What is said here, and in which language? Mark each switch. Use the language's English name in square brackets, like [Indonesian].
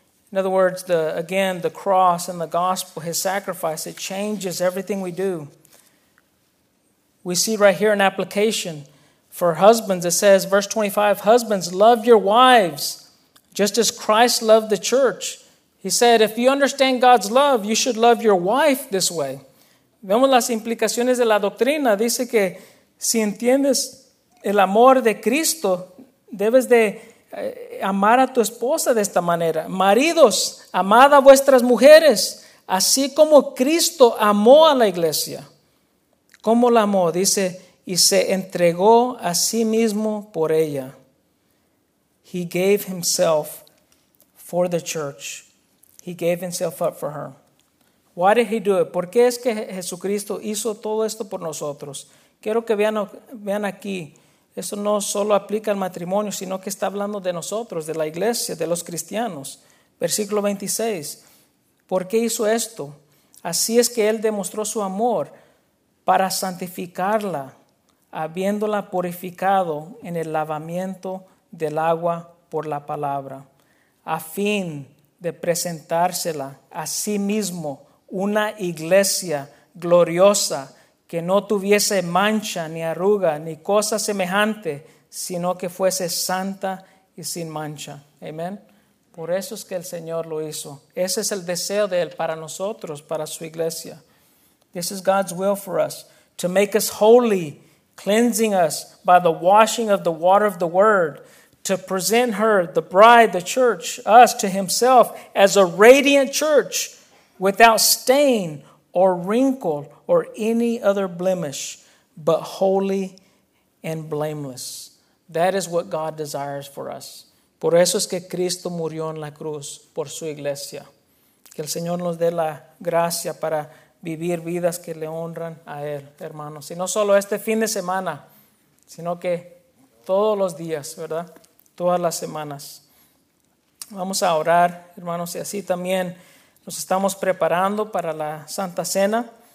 [English] In other words, the cross and the gospel, His sacrifice, it changes everything we do. We see right here an application for husbands. It says, verse 25, husbands, love your wives just as Christ loved the church. He said, if you understand God's love, you should love your wife this way. [Spanish] Vemos las implicaciones de la doctrina. Dice que si entiendes el amor de Cristo, debes de amar a tu esposa de esta manera. Maridos, amad a vuestras mujeres, así como Cristo amó a la iglesia. ¿Cómo la amó? Dice, y se entregó a sí mismo por ella. [English] He gave himself for the church. He gave himself up for her. Why did he do it? [Spanish] ¿Por qué es que Jesucristo hizo todo esto por nosotros? Quiero que vean aquí. Eso no solo aplica al matrimonio, sino que está hablando de nosotros, de la iglesia, de los cristianos. Versículo 26. ¿Por qué hizo esto? Así es que Él demostró su amor para santificarla, habiéndola purificado en el lavamiento del agua por la palabra, a fin de presentársela a sí mismo una iglesia gloriosa, que no tuviese mancha, ni arruga, ni cosa semejante, sino que fuese santa y sin mancha. Amén. Por eso es que el Señor lo hizo. Ese es el deseo de Él para nosotros, para su iglesia. [English] This is God's will for us, to make us holy, cleansing us by the washing of the water of the word, to present her, the bride, the church, us to himself as a radiant church without stain or wrinkle or any other blemish, but holy and blameless. That is what God desires for us. [Spanish] Por eso es que Cristo murió en la cruz por su iglesia. Que el Señor nos dé la gracia para vivir vidas que le honran a Él, hermanos. Y no solo este fin de semana, sino que todos los días, ¿verdad? Todas las semanas. Vamos a orar, hermanos, y así también nos estamos preparando para la Santa Cena.